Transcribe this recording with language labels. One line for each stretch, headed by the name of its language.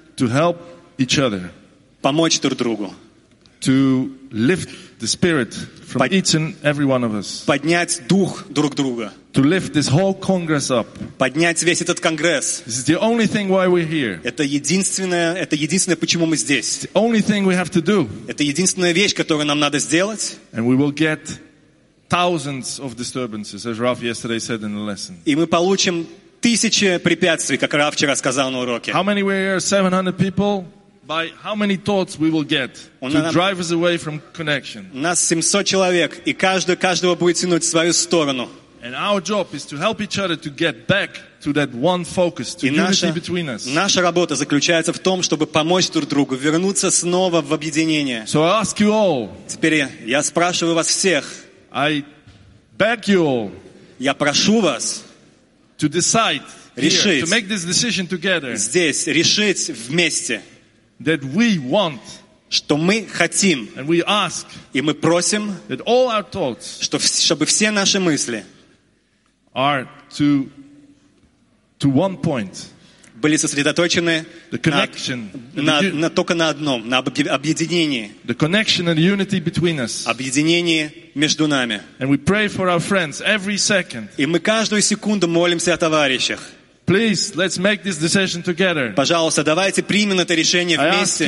English: to help each other,
Russian: помочь друг другу,
English: to lift the spirit from each and every one of us,
Russian: поднять дух друг друга,
English: to lift this whole congress up.
Russian: Поднять весь этот конгресс.
English: This is the only thing why we're here.
Russian: Это единственное, почему мы здесь.
English: The only thing we have to do.
Russian: Это единственная вещь, которую нам надо сделать.
English: And we will get thousands of disturbances, as Raf yesterday said in the lesson.
Russian: И мы получим тысячи препятствий, как Раф вчера сказал на уроке.
English: How many were here? 700 people. By how many thoughts we will get to drive us away from connection?
Russian: Нас 700 человек, и каждого будет тянуть в свою сторону.
English: And our job is to help each other to get back to that one focus, to unity between us.
Russian: Наша работа заключается в том, чтобы помочь друг другу вернуться снова в объединение.
English: So I ask you all.
Russian: Теперь я спрашиваю вас всех.
English: I beg you all.
Russian: Я прошу вас.
English: To decide.
Russian: Решить.
English: Here, to make this decision together.
Russian: Здесь решить вместе.
English: That we want.
Russian: Что мы хотим.
English: And we ask.
Russian: И мы просим.
English: That all our thoughts.
Russian: Чтобы все наши мысли
English: are to one point.
Russian: Были сосредоточены
English: the connection,
Russian: на только на одном, на объединении.
English: The connection and unity between us.
Russian: Объединение между нами.
English: And we pray for our friends every second.
Russian: И мы каждую секунду молимся о товарищах.
English: Please, let's make this decision together.
Russian: Пожалуйста, давайте примем это решение вместе.